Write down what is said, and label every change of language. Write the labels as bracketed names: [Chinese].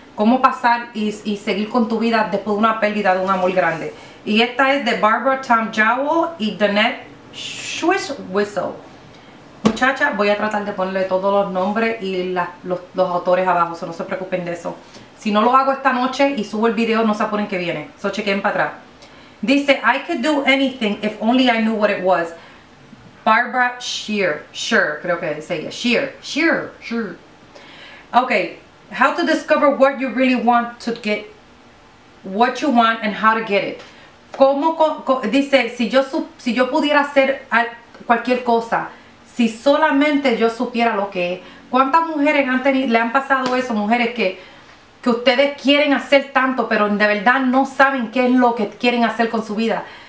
[Spanish] ¿Cómo pasar y seguir con tu vida después de una pérdida de un amor grande? Y esta es de Barbara Tom Jowell y Danette Swiss Whistle. Muchacha, voy a tratar de ponerle todos los nombres y los autores abajo, so no se preocupen de eso. Si no lo hago esta noche y subo el video, no se apuren que viene. So chequen para atrás. Dice, [English] I could do anything if only I knew what it was. Barbara Shear, [Spanish] creo que se dice. [English] Shear. Ok, how to discover what you really want to get, what you want and how to get it. [Spanish] Dice, si yo pudiera hacer cualquier cosa, si solamente yo supiera lo que es. ¿Cuántas mujeres le han pasado eso? Mujeres que ustedes quieren hacer tanto, pero de verdad no saben qué es lo que quieren hacer con su vida.